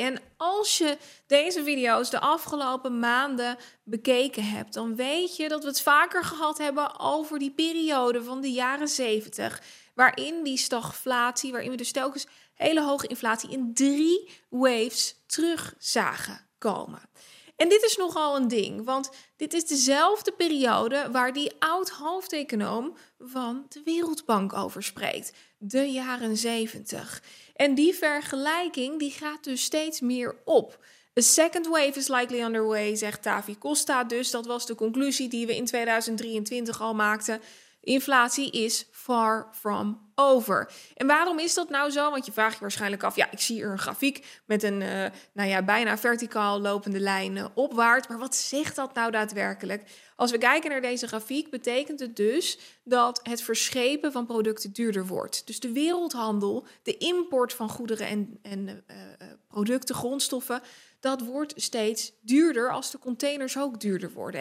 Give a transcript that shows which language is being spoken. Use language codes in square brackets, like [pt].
[nl] En als je deze video's de afgelopen maanden bekeken hebt, dan weet je dat we het vaker gehad hebben over die periode van de jaren 70, waarin die stagflatie, waarin we dus telkens hele hoge inflatie in 3 waves terug zagen komen. En dit is nogal een ding, want dit is dezelfde periode waar die oud-hoofdeconoom van de Wereldbank over spreekt. De jaren 70. En die vergelijking die gaat dus steeds meer op. [en] A second wave is likely underway, [nl] zegt Tavi Costa. Dus dat was de conclusie die we in 2023 al maakten. Inflatie is [en] far from over. [nl] En waarom is dat nou zo? Want je vraagt je waarschijnlijk af, ja, ik zie hier een grafiek met een bijna verticaal lopende lijn opwaarts. Maar wat zegt dat nou daadwerkelijk? Als we kijken naar deze grafiek, betekent het dus dat het verschepen van producten duurder wordt. Dus de wereldhandel, de import van goederen en producten, grondstoffen, dat wordt steeds duurder als de containers ook duurder worden.